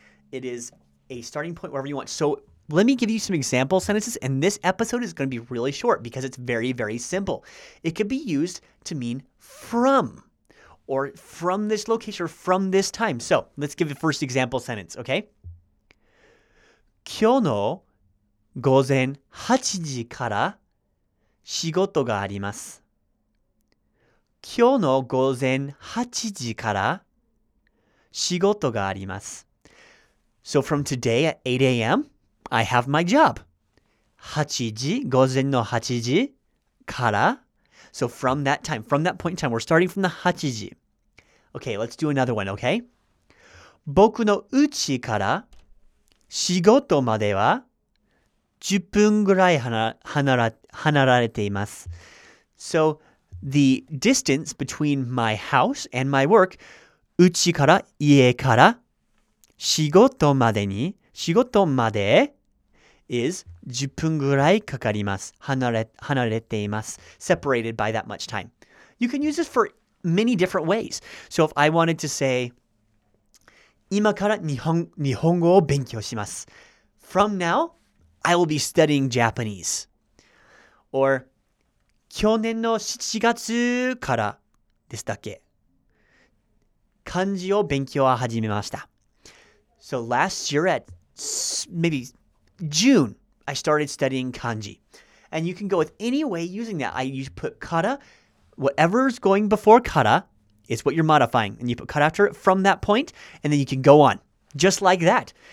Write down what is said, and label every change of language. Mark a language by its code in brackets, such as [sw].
[en] It is a starting point wherever you want. So let me give you some example sentences, and this episode is going to be really short because it's very, very simple. It could be used to mean from. Or from this location, or from this time. So, let's give the first example sentence, okay? [ja] 今日の午前8時から仕事があります。今日の午前8時から仕事があります。 [en] So, from today at 8 a.m., I have my job. [ja] 8時、午前の8時から。 [en] So, from that time, from that point in time, we're starting from the 8時。 Okay, let's do another one, okay? [ja] 僕のうちから仕事までは10分ぐらい離られています。 [en] So, the distance between my house and my work, [ja] うちから家から仕事までに、仕事まで is 10分ぐらいかかります。離れています。 [en] Separated by that much time. You can use this for... many different ways. So if I wanted to say, [ja] 今から日本語を勉強します。 [en] From now, I will be studying Japanese. Or, [ja] 去年の7月からでしたっけ。漢字を勉強は始めました。 [en] So last year at maybe June, I started studying kanji. And you can go with any way using that. I usually put kara,Whatever's going before kara is what you're modifying. And you put kara after it from that point, and then you can go on just like that.